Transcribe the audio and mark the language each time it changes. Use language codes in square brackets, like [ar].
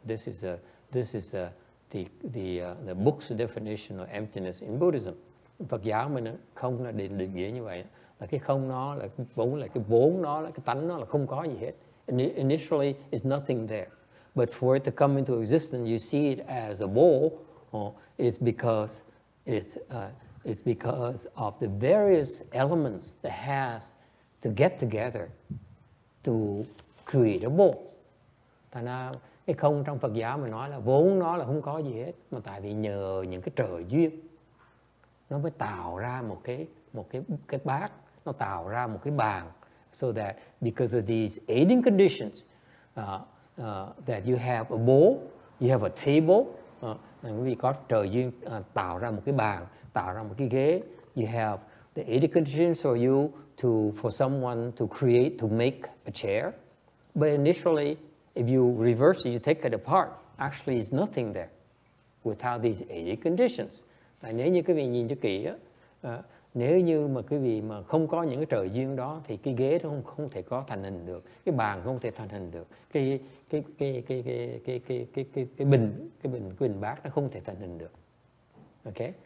[en] This is the book's definition of emptiness in Buddhism. [vi] Phật giáo mình không là định nghĩa như vậy. Là cái không nó, là cái vốn, là cái vốn nó, là cái tánh nó là không có gì hết. [en] Initially, it's nothing there. But for it to come into existence, you see it as a bowl, it's because of the various elements that has to get together to create a bowl. [vi] Tại nên cái không trong Phật giáo mình nói là vốn nó là không có gì hết, mà tại vì nhờ những cái trợ duyên, nó mới tạo ra một cái bát, nó tạo ra một cái bàn. [en] So that because of these aiding conditions, that you have a bowl, you have a table, [vi] vì có trợ duyên tạo ra một cái bàn, tạo ra một cái ghế. [en] You have the aiding conditions for you to for someone to create, to make a chair. But initially, if you reverse it, you take it apart, actually it's nothing there without these aiding conditions. [vi] Tại nếu như quý vị nhìn cho kỹ, nếu như mà quý vị mà không có những cái trợ duyên đó thì cái ghế nó không thể có thành hình được, cái bàn không thể thành hình được, cái bình bát nó không thể thành hình được. Okay?